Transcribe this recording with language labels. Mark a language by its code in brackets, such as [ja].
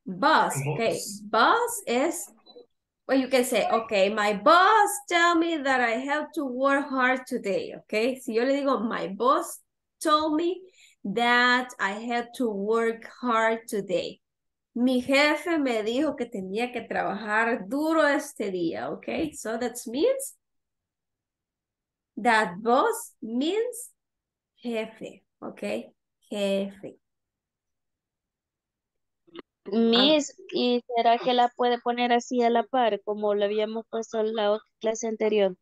[en] Boss, ok. Boss es, well, you can say, ok, my boss tell me that I have to work hard today, ok. [es] Si yo le digo, [en] my boss told me that I had to work hard today. [es] Mi jefe me dijo que tenía que trabajar duro este día, okay? [en] So that means that boss means jefe, okay? [es] Jefe. Miss, ¿y será que la puede poner así a la par como lo habíamos puesto en la otra clase anterior?